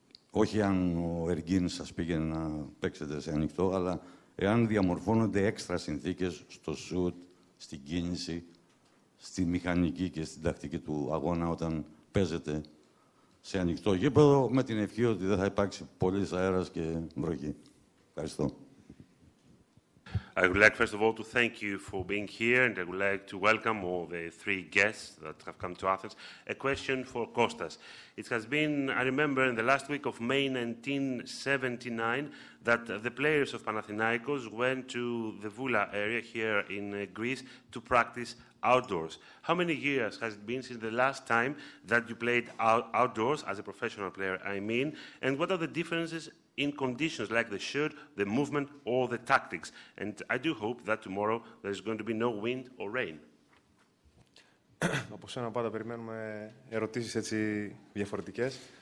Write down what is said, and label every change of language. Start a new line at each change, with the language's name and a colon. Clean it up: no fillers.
Greek: Όχι αν ο Εργκίνης σας πήγαινε να παίξετε σε ανοιχτό, αλλά εάν διαμορφώνονται έξτρα συνθήκες στο σουτ, στην κίνηση, στη μηχανική και στην τακτική του αγώνα όταν παίζετε σε ανοιχτό γήπεδο, με την ευχή ότι δεν θα υπάρξει πολύ αέρας και βροχή. Ευχαριστώ.
English: I would like first of all to thank you for being here, and I would like to welcome all the three guests that have come to Athens. A question for Kostas. It has been, I remember, in the last week of May 1979 that the players of Panathinaikos went to the Voula area here in Greece to practice outdoors. How many years has it been since the last time that you played outdoors as a professional player, I mean, and what are the differences in conditions like the shirt, the movement, or the tactics? And I do hope that tomorrow there is going to be no wind or rain.
Greek: Από σένα πάντα περιμένουμε ερωτήσεις έτσι διαφορετικές.